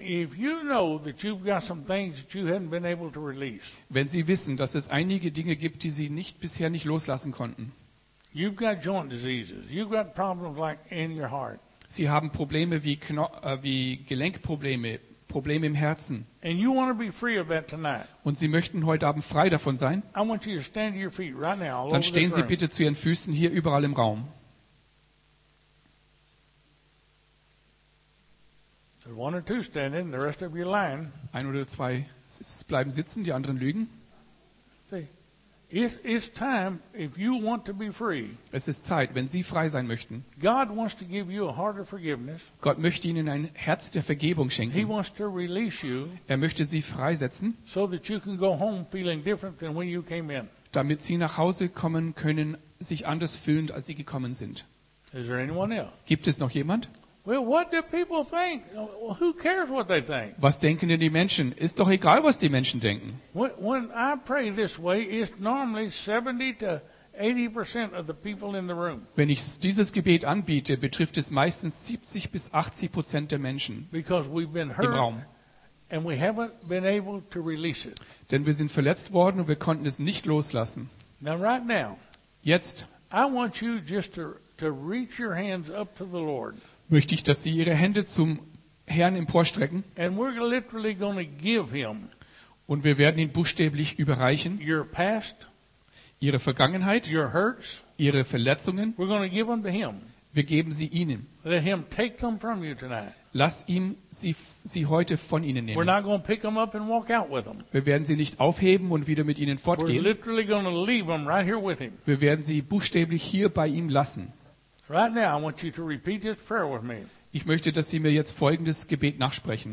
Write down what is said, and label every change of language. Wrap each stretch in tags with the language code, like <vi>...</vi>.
<en>If you know that you've got some things that you haven't been able to release,</en> <de>wenn Sie wissen, dass es einige Dinge gibt, die Sie bisher nicht loslassen konnten,</de> <en>you've got joint diseases, you've got problems like in your heart.</en> <de>Sie haben Probleme wie Gelenkprobleme, Probleme im Herzen.</de> <en>And you want to be free of that tonight.</en> <de>Und Sie möchten heute Abend frei davon sein.</de> <en>I want you to stand to your feet right now.</en> <de>Dann stehen Sie bitte zu Ihren Füßen hier überall im Raum.</de> <en>One or two standing, the rest of you lying.</en> <de>Ein oder zwei bleiben sitzen, die anderen lügen.</de> <en>It's time if you want to be free.</en> <de>Es ist Zeit, wenn Sie frei sein möchten.</de> <en>God wants to give you a heart of forgiveness.</en> <de>Gott möchte Ihnen ein Herz der Vergebung schenken.</de> <en>He wants to release you.</en> <de>Er möchte Sie freisetzen.</de> <en>So that you can go home feeling different than when you came in.</en> <de>Damit Sie nach Hause kommen können, sich anders fühlend, als Sie gekommen sind.</de> <en>Is there anyone else?</en> <de>Gibt es noch jemand?</de> <en>Well, what do people think? Who cares what they think?</en> <de>Was denken denn die Menschen? Ist doch egal, was die Menschen denken.</de> <en>When I pray this way, it's normally 70 to 80% of the people in the room.</en> <de>Wenn ich dieses Gebet anbiete, betrifft es meistens 70-80% der Menschen.</de> <en>Because we've been hurt</en> <de>im Raum.</de> <en>And we haven't been able to release it.</en> <de>Denn wir sind verletzt worden und wir konnten es nicht loslassen.</de> <en>Now, right now.</en> <de>Jetzt.</de> <en>I want you just to reach your hands up to the Lord.</en> <de>Möchte ich, dass Sie Ihre Hände zum Herrn emporstrecken.</de> <en>And we're literally gonna give him,</en> <de>und wir werden ihn buchstäblich überreichen.</de> <en>Your past,</en> <de>Ihre Vergangenheit,</de> <en>your hurts,</en> <de>Ihre Verletzungen.</de> <en>We're gonna give them to him.</en> <de>Wir geben sie Ihnen.</de> <en>Let him take them from you tonight.</en> <de>Lass ihm sie heute von Ihnen nehmen.</de> <en>We're not gonna pick them up and walk out with them.</en> <de>Wir werden sie nicht aufheben und wieder mit ihnen fortgehen.</de> <en>We're literally gonna leave them right here with him.</en> <de>Wir werden sie buchstäblich hier bei ihm lassen.</de> <en>Right now, I want you to repeat this prayer with me.</en> <de>Ich möchte, dass Sie mir jetzt folgendes Gebet nachsprechen.</de>